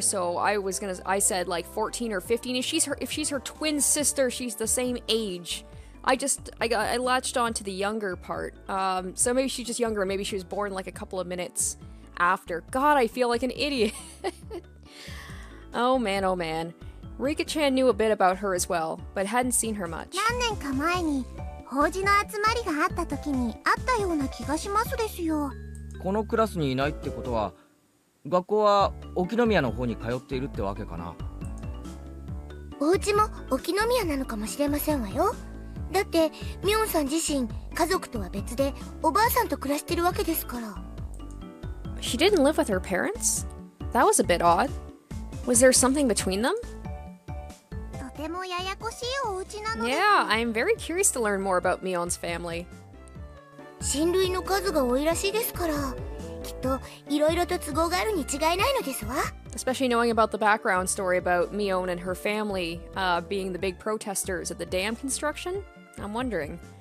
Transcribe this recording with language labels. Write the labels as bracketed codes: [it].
[en] So I said like 14 or 15. If she's her twin sister, she's the same age. I latched on to the younger part. So maybe she's just younger. Maybe she was born like a couple of minutes after. God, I feel like an idiot. Oh man, oh man. Rika-chan knew a bit about her as well, but hadn't seen her much. [ja] 何年か前に、法事の集まりがあった時に会ったような気がしますですよ。このクラスにいないってことは、学校は沖ノ宮の方に通っているってわけかな。お家も沖ノ宮なのかもしれませんわよ。だって、ミョンさん自身、家族とは別で、おばあさんと暮らしてるわけですから。 [en] She didn't live with her parents? That was a bit odd. Was there something between them? [ja] とてもややこしいお家なのです。 [en] Yeah, I'm very curious to learn more about Mion's family. [ja] 親類の数が多いらしいですから、きっといろいろと都合があるに違いないのですわ。 [en] Especially knowing about the background story about Mion and her family, being the big protesters at the dam construction, I'm wondering.